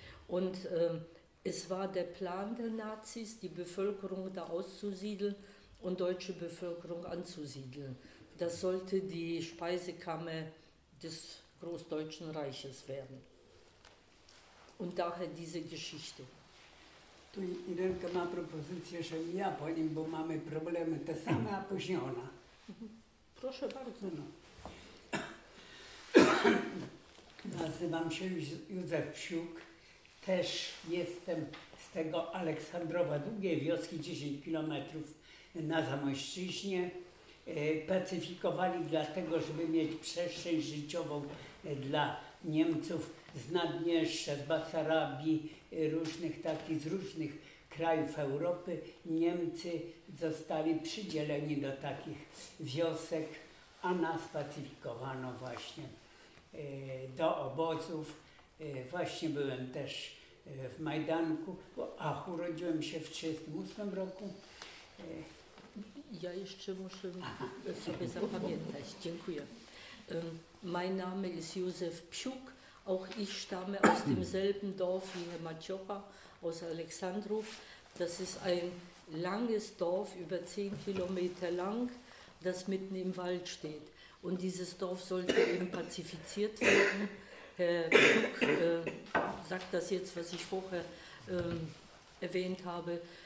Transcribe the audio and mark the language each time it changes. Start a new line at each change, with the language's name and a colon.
German: Und es war der Plan der Nazis, die Bevölkerung da auszusiedeln und deutsche Bevölkerung anzusiedeln. Das sollte die Speisekammer des Großdeutschen Reiches werden. Und daher diese Geschichte.
Polish: Tu Irenka ma propozycję, żebym ja po nim, bo mamy problemy te same, a później ona. Proszę bardzo. No. Nazywam się Józef Psiuk. Też jestem z tego Aleksandrowa, długiej wioski, 10 km na Zamojszczyźnie. Pacyfikowali dlatego, żeby mieć przestrzeń życiową dla Niemców z Naddniestrza, z Basarabii, różnych takich, z różnych krajów Europy. Niemcy zostali przydzieleni do takich wiosek, a nas pacyfikowano właśnie do obozów. Właśnie byłem też w Majdanku, bo urodziłem się w 1938 roku. Ja jeszcze muszę sobie zapamiętać. Dziękuję.
German: Mein Name ist Josef Psiuk. Auch ich stamme aus demselben Dorf wie Herr Maciocha, aus Aleksandrów. Das ist ein langes Dorf, über 10 Kilometer lang, das mitten im Wald steht. Und dieses Dorf sollte eben pazifiziert werden. Herr Psiuk sagt das jetzt, was ich vorher erwähnt habe.